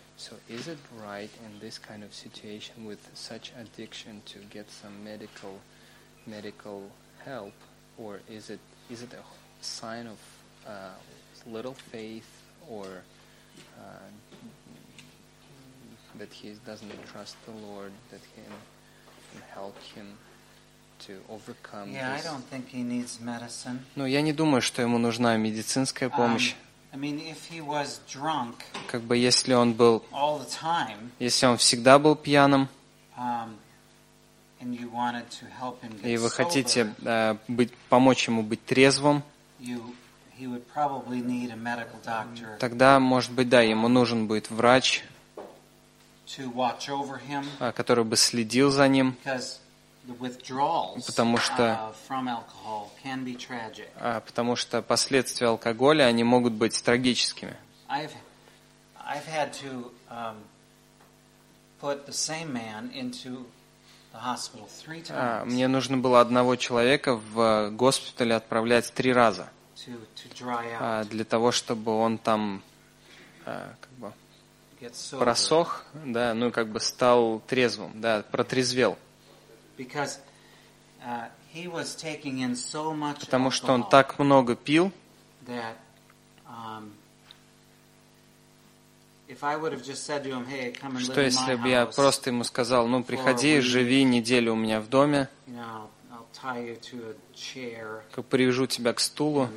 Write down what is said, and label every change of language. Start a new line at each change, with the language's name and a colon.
English: So is it right in this kind of situation with such addiction to get some medical help, or is it a sign of little faith, or that he doesn't trust the Lord, that he can help him to overcome this? Yeah, I don't think he needs medicine.
Russian: Ну, я не думаю, что ему нужна медицинская помощь.
English: I mean, if he was drunk,
Russian: как бы если он был,
English: all the time,
Russian: если он всегда был пьяным,
English: and you wanted to help him get sober,
Russian: и вы хотите помочь ему быть трезвым,
English: he would probably need a medical doctor.
Russian: Тогда, может быть, да, ему нужен будет врач,
English: to watch over him,
Russian: который бы следил за ним.
English: The withdrawals from alcohol can be tragic.
Russian: Потому что последствия алкоголя они могут быть трагическими.
English: I've had to put the same man into the hospital 3 times.
Russian: Мне нужно было одного человека в госпитале отправлять 3 раза.
English: To dry out.
Russian: Для того чтобы он там как бы просох, да, ну как бы стал трезвым, да, протрезвел.
English: Because he was taking in so much alcohol.
Russian: Потому что он так много пил.
English: That if I would have just said to him, "Hey, come and live in my house."
Russian: Что если бы я просто ему сказал, ну приходи, живи неделю у меня в доме.
English: I'll tie you to a chair.
Russian: Как привяжу тебя к стулу.